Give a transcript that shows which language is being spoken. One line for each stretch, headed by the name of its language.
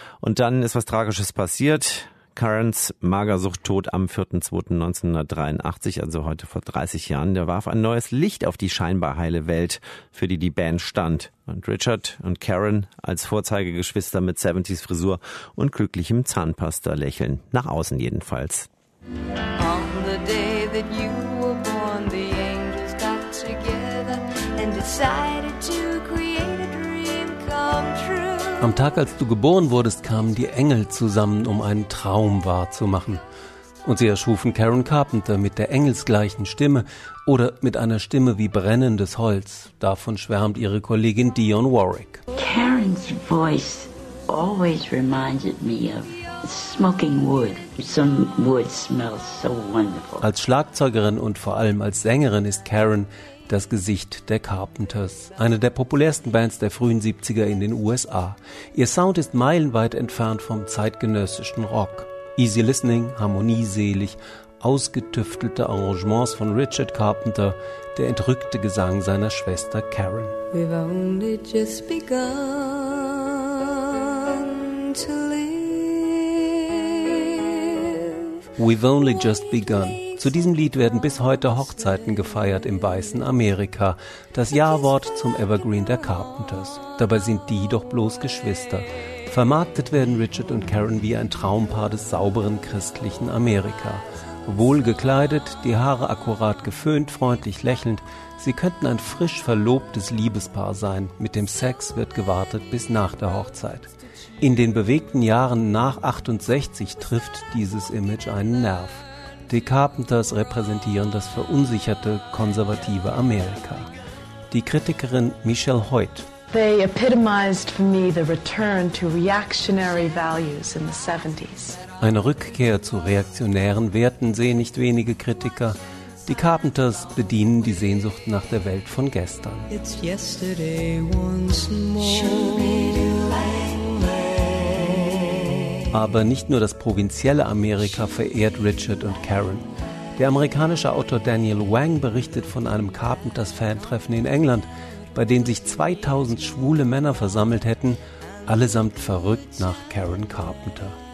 German: Und dann ist was Tragisches passiert. Karens Magersucht-Tod am 4.2.1983, also heute vor 30 Jahren, der warf ein neues Licht auf die scheinbar heile Welt, für die die Band stand. Und Richard und Karen als Vorzeigegeschwister mit
English: 70s
German: Frisur und glücklichem Zahnpasta-Lächeln. Nach außen jedenfalls.
English: On the day that you were born, the angels got together and decided to create a dream come true.
German: Am Tag, als du geboren wurdest, kamen die Engel zusammen, um einen Traum wahrzumachen. Und sie erschufen Karen Carpenter mit der engelsgleichen Stimme oder mit einer Stimme wie brennendes Holz. Davon schwärmt ihre Kollegin Dionne Warwick.
English: Karen's voice always reminded me of smoking wood. Some wood smells so wonderful.
German: Als Schlagzeugerin und vor allem als Sängerin ist Karen das Gesicht der Carpenters, eine der populärsten Bands der frühen 70er in den USA. Ihr Sound ist meilenweit entfernt vom zeitgenössischen Rock. Easy listening, harmonieselig, ausgetüftelte Arrangements von Richard Carpenter, der entrückte Gesang seiner Schwester Karen.
English: We've only just begun to live. We've only just begun.
German: Zu diesem Lied werden bis heute Hochzeiten gefeiert im weißen Amerika. Das Jawort zum Evergreen der Carpenters. Dabei sind die doch bloß Geschwister. Vermarktet werden Richard und Karen wie ein Traumpaar des sauberen christlichen Amerika. Wohl gekleidet, die Haare akkurat geföhnt, freundlich lächelnd. Sie könnten ein frisch verlobtes Liebespaar sein. Mit dem Sex wird gewartet bis nach der Hochzeit. In den bewegten Jahren nach 68 trifft dieses Image einen Nerv. Die Carpenters repräsentieren das verunsicherte, konservative Amerika. Die Kritikerin Michelle Hoyt.
English: They epitomized for me the return to reactionary values in the 70s.
German: Eine Rückkehr zu reaktionären Werten sehen nicht wenige Kritiker. Die Carpenters bedienen die Sehnsucht nach der Welt von gestern.
English: It's yesterday once more.
German: Aber nicht nur das provinzielle Amerika verehrt Richard und Karen. Der amerikanische Autor Daniel Wang berichtet von einem Carpenters-Fantreffen in England, bei dem sich 2000 schwule Männer versammelt hätten, allesamt verrückt nach Karen Carpenter.